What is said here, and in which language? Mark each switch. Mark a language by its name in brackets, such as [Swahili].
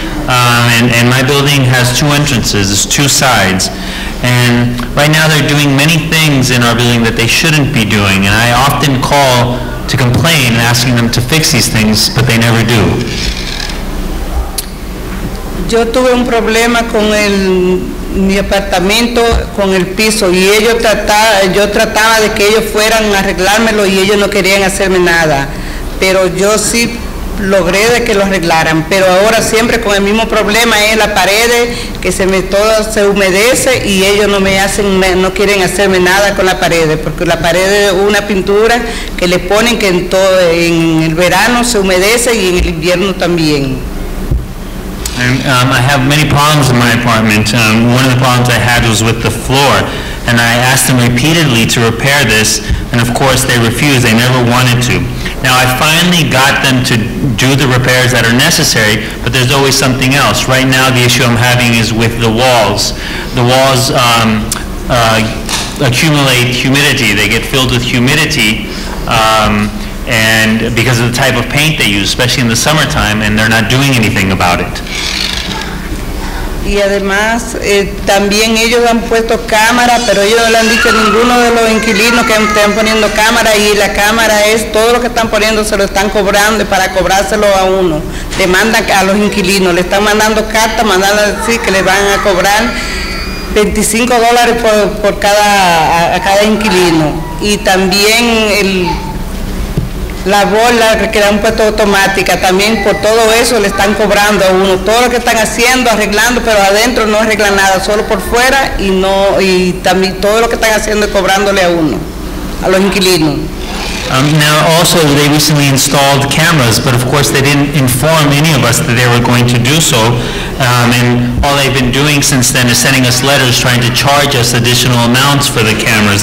[English] And my building has two entrances, two sides. And right now they're doing many things in our building that they shouldn't be doing. And I often call to complain, asking them to fix these things, but they never do. [Spanish] Yo tuve un problema con el mi apartamento con el piso y ellos yo trataba de que ellos fueran a arreglármelo y ellos no querían hacerme nada, pero yo sí logré de que lo arreglaran, pero ahora siempre con el mismo problema es la pared que se me todo se humedece y ellos no quieren hacerme nada con la pared, porque la pared es una pintura que le ponen que en el verano se humedece y en el invierno también. [English] And I have many problems in my apartment. One of the problems I had was with the floor, and I asked them repeatedly to repair this, and of course they refused. They never wanted to. Now I finally got them to do the repairs that are necessary, but there's always something else. Right now the issue I'm having is with the walls. The walls accumulate humidity. They get filled with humidity. And because of the type of paint they use, especially in the summertime, and they're not doing anything about it. [Spanish] Y además, también ellos han puesto cámara, pero ellos no le han dicho a ninguno de los inquilinos que están poniendo cámara, y la cámara es todo lo que están poniendo, se lo están cobrando para cobrárselo a uno. Le mandan a los inquilinos, le están mandando carta, mandando así que le van a cobrar $25 por cada, a cada inquilino. Y también el... La bola que le han puesto automática, también por todo eso le están cobrando a uno. Todo lo que están haciendo, arreglando, pero adentro no arreglan nada, solo por fuera y no, y también todo lo que están haciendo es cobrándole a uno, a los inquilinos. [English] Now also they recently installed cameras, but of course they didn't inform any of us that they were going to do so. And all they've been doing since then is sending us letters trying to charge us additional amounts for the cameras.